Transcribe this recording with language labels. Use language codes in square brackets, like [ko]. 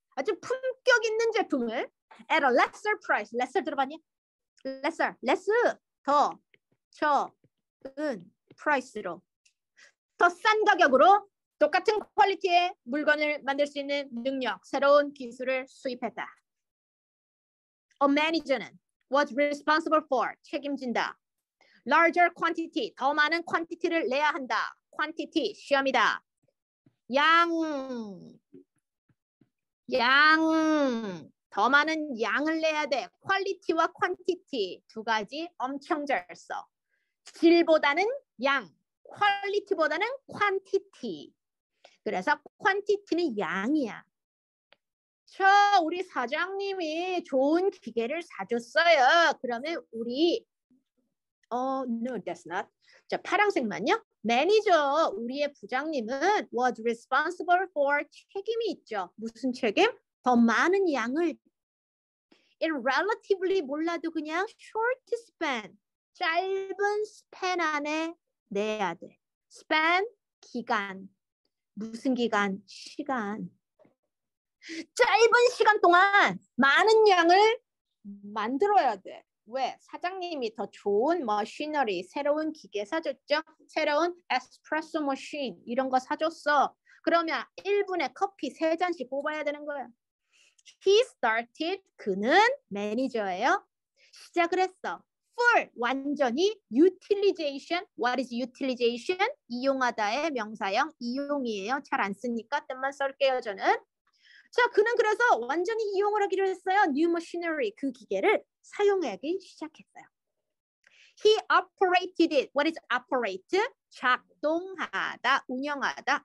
[ko] 아주 품격 있는 제품을 [en] at a lesser price. [ko] lesser 들어봤냐? lesser. less. 더 적은 price로. 더 싼 가격으로 똑같은 퀄리티의 물건을 만들 수 있는 능력. 새로운 기술을 수입했다. [en] A manager는 was responsible for. [ko] 책임진다. [en] larger quantity. [ko] 더 많은 quantity를 내야 한다. quantity. 시험이다. 양. 양, 더 많은 양을 내야 돼. 퀄리티와 퀀티티 두 가지 엄청 잘 써. 질보다는 양, 퀄리티보다는 퀀티티. 그래서 퀀티티는 양이야. 저 우리 사장님이 좋은 기계를 사줬어요. 그러면 우리 [en] no, that's not. [ko] 자, 파랑색만요. 매니저, 우리의 부장님은 [en] was responsible for [ko] 책임이 있죠. 무슨 책임? 더 많은 양을 [en] in relatively [ko] 몰라도 그냥 short span, 짧은 span 안에 내야 돼. span, 기간. 무슨 기간? 시간. 짧은 시간 동안 많은 양을 만들어야 돼. 왜 사장님이 더 좋은 머신어리 새로운 기계 사줬죠? 새로운 에스프레소 머신 이런 거 사줬어. 그러면 1분에 커피 3잔씩 뽑아야 되는 거야. [en] He started. [ko] 그는 매니저예요. 시작을 했어. [en] Full 완전히 utilization. What is utilization? [ko] 이용하다의 명사형 이용이에요. 잘 안 쓰니까 뜻만 썰게요 저는. 자, 그는 그래서 완전히 이용을 하기로 했어요. [en] New machinery, [ko] 그 기계를 사용하기 시작했어요. [en] He operated it. What is operate? [ko] 작동하다, 운영하다.